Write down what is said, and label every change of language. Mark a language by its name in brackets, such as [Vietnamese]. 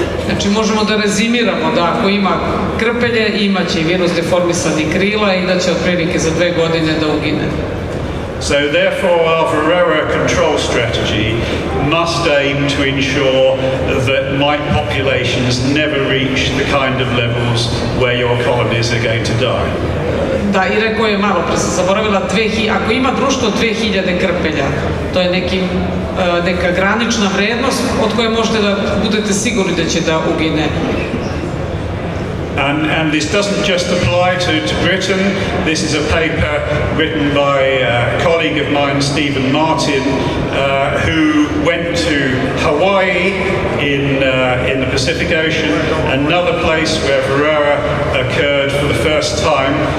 [Serbian] Znači, možemo da rezimiramo da ako ima krpelje, imaće i virus deformisanih krila i da će otprilike za dve godine da ugine. [English] So therefore our varroa control strategy must aim to ensure that mite populations never reach the kind of levels where your colonies are going to die. [Serbian] Da, i rekao je malo pre, sam zaboravila, ako ima društvo 2000 krpelja, to je neka granična vrednost od koje možete da budete sigurni da će da ugine. [English] And this doesn't just apply to Britain. This is a paper written by a colleague of mine, Stephen Martin, who went to Hawaii in the Pacific Ocean, another place where varroa occurred for the first time.